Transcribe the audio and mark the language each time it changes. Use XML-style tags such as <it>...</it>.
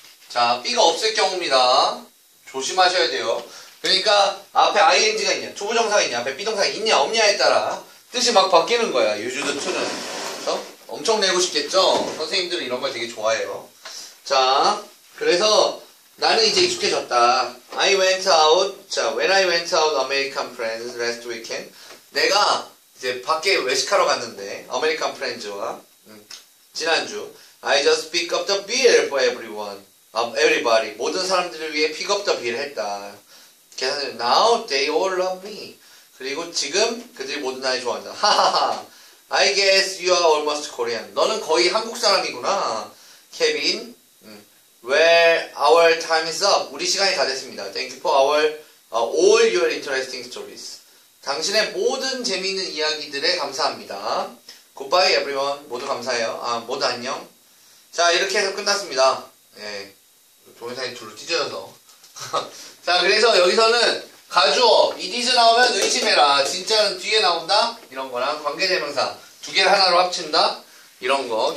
<ko>자, B가 없을 경우입니다. 조심하셔야 돼요. 그러니까, 앞에 ing가 있냐, to 부정사가 있냐, 앞에 B 동사가 있냐, 없냐에 따라 뜻이 막 바뀌는 거야. used to는. 엄청 내고 싶겠죠? 선생님들은 이런 걸 되게 좋아해요. 자, 그래서 나는 이제 익숙해졌다.</ko> <en>I went out, 자, when I went out American friends last weekend.</en> <ko>내가 이제 밖에 외식하러 갔는데,</ko> <en>American friends</en> <ko>와, 지난주.</ko> <en>I just pick up the bill for everyone, everybody.</en> <ko>모든 사람들을 위해</ko> <en>pick up the bill</en> <ko>했다. 계산해.</ko> <en>Now they all love me.</en> <ko>그리고 지금 그들이 모두 나를 좋아한다. 하하하.</ko> <en>I guess you are almost Korean.</en> <ko>너는 거의 한국 사람이구나.</ko> <en>케빈. Well, our time is up.</en> <ko>우리 시간이 다 됐습니다.</ko> <en>Thank you for all your interesting stories.</en> <ko>당신의 모든 재미있는 이야기들에 감사합니다.</ko> <en>Goodbye, everyone.</en> <ko>모두 감사해요. 아, 모두 안녕. 자, 이렇게 해서 끝났습니다. 예. 동영상이 둘로 찢어져서. 자, 그래서 여기서는 가주어,</ko> <en>it is</en> <ko>나오면 의심해라. 진짜는 뒤에 나온다? 이런 거랑 관계대명사. 두 개를 하나로 합친다? 이런 거.</ko>